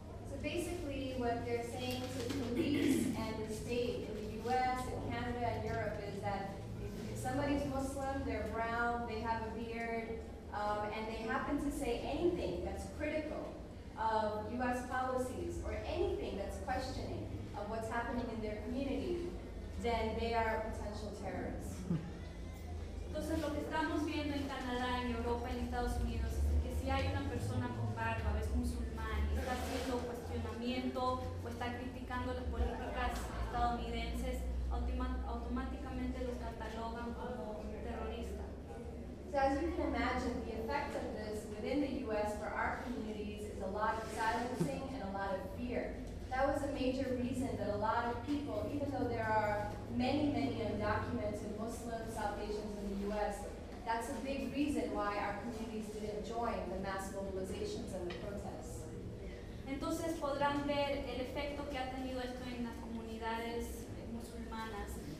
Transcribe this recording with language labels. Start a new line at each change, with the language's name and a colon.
English: So basically what they're saying to police and the state in the US and Canada and Europe is that if somebody's Muslim, they're brown, they have a beard, and they happen to say anything that's critical of US policies or anything that's questioning of what's happening in their community, then they are potential terrorists.
Spanish: Entonces lo que estamos viendo en Canadá, en Europa, en Estados Unidos, es que si hay una persona con barba, es musulmán, y está haciendo cuestionamiento o está criticando las políticas estadounidenses, automáticamente los catalogan como terroristas.
English: So as you can imagine, the effect of this within the U.S. for our communities is a lot of silencing and a lot of fear. That was a major reason that a lot of people, even though there are many, many undocumented Muslims, South Asians in the U.S., that's a big reason why our communities didn't join the mass mobilizations and the protests.
Spanish: Entonces podrán ver el efecto que ha tenido esto en las comunidades musulmanas.